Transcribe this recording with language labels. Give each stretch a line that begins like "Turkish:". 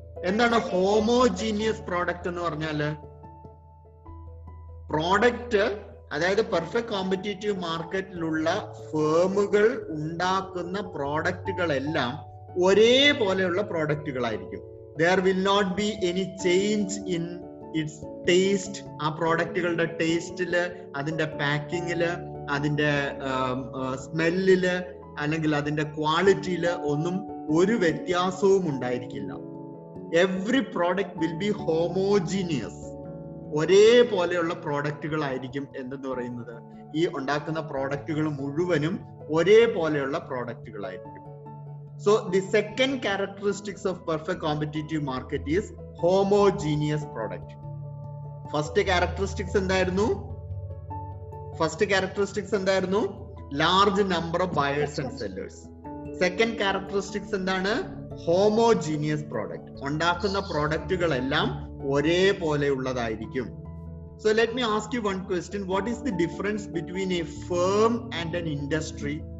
Malayalam: എന്താണ് homogeneous product എന്ന് പറഞ്ഞാല്? Product, അതായത് പെർഫെക്റ്റ് കോമ്പറ്റീറ്റീവ് മാർക്കറ്റിലുള്ള ഫേമുകൾ ഉണ്ടാക്കുന്ന പ്രോഡക്റ്റുകളെല്ലാം ഒരേപോലെയുള്ള പ്രോഡക്റ്റുകളായിരിക്കും.
English: There will not be any change in its taste.
Malayalam: ആ പ്രോഡക്റ്റുകളുടെ ടേസ്റ്റില്, അതിന്റെ പാക്കിങ്ങില്, അതിന്റെ സ്മെല്ലില്, അല്ലെങ്കിൽ അതിന്റെ ക്വാളിറ്റിയിൽ ഒന്നും ഒരു വ്യത്യാസവും ഉണ്ടായിരിക്കില്ല.
English: Every product will be homogeneous.
Malayalam: ഒരേപോലെയുള്ള പ്രോഡക്റ്റുകളായിരിക്കും. എന്തെന്ന് പറയുന്നത്, ഈ ഉണ്ടാക്കുന്ന പ്രോഡക്റ്റുകൾ മുഴുവനും ഒരേപോലെയുള്ള പ്രോഡക്റ്റുകളായിരിക്കും.
English: So the second characteristics of perfect competitive market is homogeneous product. First characteristics
Malayalam: endayirunnu
English: large number of buyers and sellers. Second characteristics
Malayalam: endana homogeneous product, ഉണ്ടാക്കുന്ന പ്രോഡക്റ്റുകളെല്ലാം ഒരേപോലെയുള്ളതായിരിക്കും.
English: So let me ask you one question. What is the difference between a firm and an industry?